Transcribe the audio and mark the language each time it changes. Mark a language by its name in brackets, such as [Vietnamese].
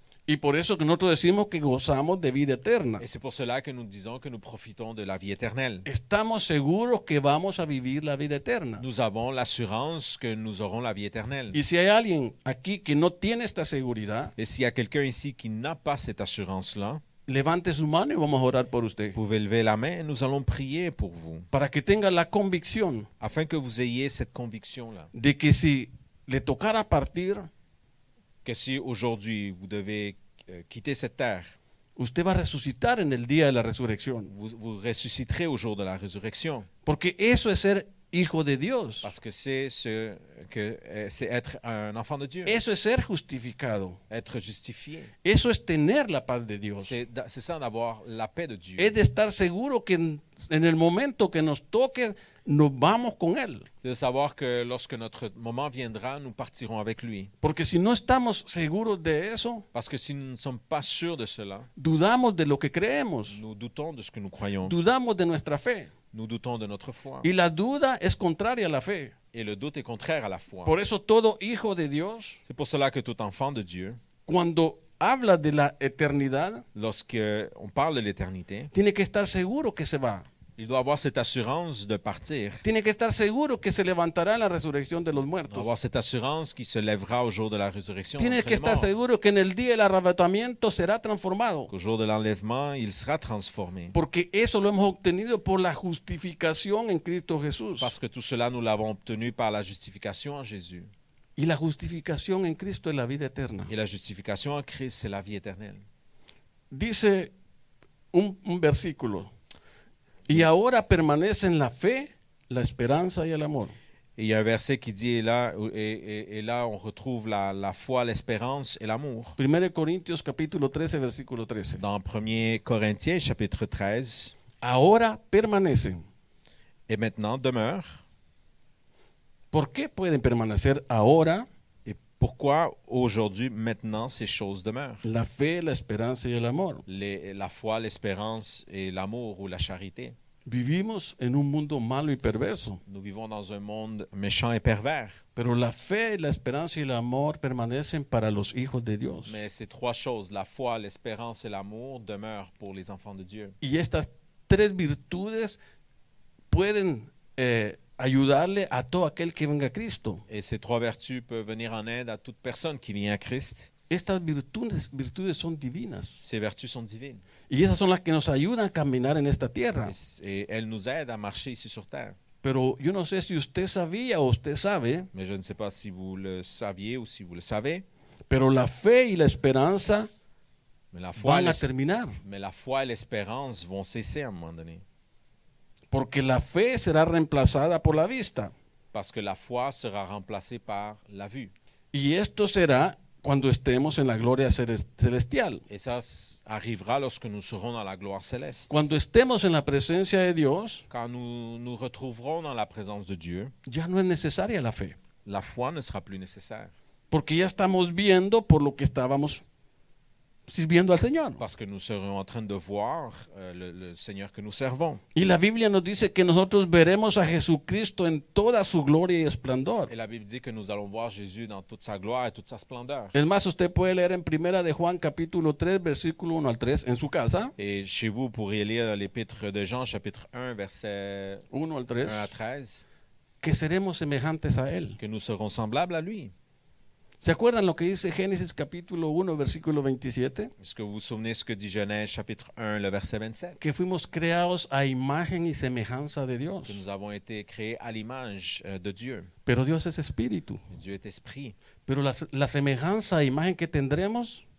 [Spanish] Y por eso que nosotros decimos que gozamos de vida eterna. [French] Et c'est pour cela que nous disons que nous profitons de la vie éternelle. [Spanish] Estamos seguros que vamos a vivir la vida eterna. [French] Nous avons l'assurance que nous aurons la vie éternelle. [Spanish] Y si hay alguien aquí que no tiene esta seguridad, [French] et s'il y a quelqu'un ici qui n'a pas cette assurance-là, [Spanish] levante su mano y vamos a orar por usted. [French] Vous pouvez lever la main, nous allons prier pour vous. [Spanish] Para que tenga la convicción. [French] Afin que vous ayez cette conviction-là. [Spanish] De que si le tocara partir, [French] que si aujourd'hui vous devez quitter cette terre, [Spanish] usted va a resucitar en el día de la resurrección. [French] Vous ressusciterez au jour de la résurrection. [Spanish] Porque eso es ser hijo de Dios. [French] Parce que c'est être un enfant de Dieu. [Spanish] Eso es ser justificado. [French] Être justifié. [Spanish] Eso es tener la paz de Dios. [French] C'est ça d'avoir la paix de Dieu. [Spanish] Es de estar seguro que en el momento que nos toque, nous vamos con él. [French] C'est de savoir que lorsque notre moment viendra, nous partirons avec lui. [Spanish] Porque si no estamos seguros de eso, [French] parce que si nous ne sommes pas sûrs de cela, [Spanish] dudamos de lo que creemos. [French] Nous doutons de ce que nous croyons. [Spanish] Dudamos de nuestra fe. [French] Nous doutons de notre foi. [Spanish] Y la duda es contraria a la fe. [French] Et le doute est contraire à la foi. [Spanish] Por eso todo hijo de Dios, [French] c'est pour cela que tout enfant de Dieu, [Spanish] cuando habla de la eternidad, [French] lorsque on parle de l'éternité, [Spanish] tiene que estar seguro que se va. [French] Il doit avoir cette assurance de partir. [Spanish] Tiene que estar seguro que se levantará en la resurrección de los muertos. [French] Avoir cette assurance qu'il se lèvera au jour de la résurrection. [Spanish] Tiene que estar seguro que en el día del arrebatamiento será transformado. [French] Qu'au jour de l'enlèvement, il sera transformé. [Spanish] Porque eso lo hemos obtenido por la justificación en Cristo Jesús. [French] Parce que tout cela nous l'avons obtenu par la justification en Jésus. [Spanish] Y la justificación en Cristo es la vida eterna. [French] Et la justification en Christ, c'est la vie éternelle. [Spanish] Dice un versículo. Y ahora permanecen la fe, la esperanza y el amor. [French] Il y a un verset qui dit et là on retrouve la foi, l'espérance et l'amour. 1 Corinthiens chapitre 13 versículo 13. Dans 1 Corinthiens chapitre 13. [Spanish] Ahora permanecen. [French] Et maintenant demeurent. [Spanish] ¿Por qué pueden permanecer ahora? [French] Et pourquoi aujourd'hui, maintenant ces choses demeurent? [Spanish] La fe, l'espérance y el amor. [French] La foi, l'espérance et l'amour ou la charité. [Spanish] Vivimos en un mundo malo y perverso. [French] Nous vivons dans un monde méchant et pervers. [Spanish] Pero la fe, l'espérance y el amor permanecen para los hijos de Dios. [French] Mais ces trois choses, la foi, l'espérance et l'amour demeurent pour les enfants de Dieu. [Spanish] Y estas tres virtudes pueden ayudarle a todo aquel que venga a Cristo. [French] Et ces trois vertus peuvent venir en aide à toute personne qui vient à Christ. [Spanish] Estas virtudes son divinas. [French] Ces vertus sont divines. [Spanish] Y esas son las que nos ayudan a caminar en esta tierra. [French] Et elles nous aident à marcher ici sur terre. [Spanish] Pero yo no sé si usted sabía o usted sabe. [French] Mais je ne sais pas si vous le saviez ou si vous le savez. [Spanish] Pero la fe y la esperanza van a terminar. [French] Mais la foi et l'espérance vont cesser à un moment donné. [Spanish] Porque la fe será reemplazada por la vista. [French] Parce que la foi sera remplacée par la vue. [Spanish] Y esto será cuando estemos en la gloria celestial. [French] Et ça arrivera lorsque nous serons dans la gloire céleste. [Spanish] Cuando estemos en la presencia de Dios, [French] quand nous nous retrouverons dans la présence de Dieu, [Spanish] ya no es necesaria la fe. [French] La foi ne sera plus nécessaire. [Spanish] Porque ya estamos viendo por lo que estábamos sirviendo al Señor. [French] Parce que nous serons en train de voir le Seigneur que nous servons. [Spanish] Y la Biblia nos dice que nosotros veremos a Jesucristo en toda su gloria y esplendor. [French] Et la Bible dit que nous allons voir Jésus dans toute sa gloire et toute sa splendeur. [Spanish] Es más, usted puede leer en Primera de Juan capítulo 3 versículo 1 al 3 en su casa. [French] Et chez vous pourriez lire dans l'épître de Jean chapitre 1 verset 1 à 13. [Spanish] Que seremos semejantes a él. [French] Que nous serons semblables à lui. [Spanish] ¿Se acuerdan lo que dice Génesis capítulo 1 versículo 27? [French] Est-ce que vous vous souvenez ce que dit Genèse chapitre 1 le verset 27? [Spanish] Que fuimos creados a imagen y semejanza de Dios. [French] Que nous avons été créés à l'image de Dieu. [Spanish] Pero Dios es espíritu. [French] Dieu est esprit. [Spanish] Pero la semejanza e imagen que tendremos.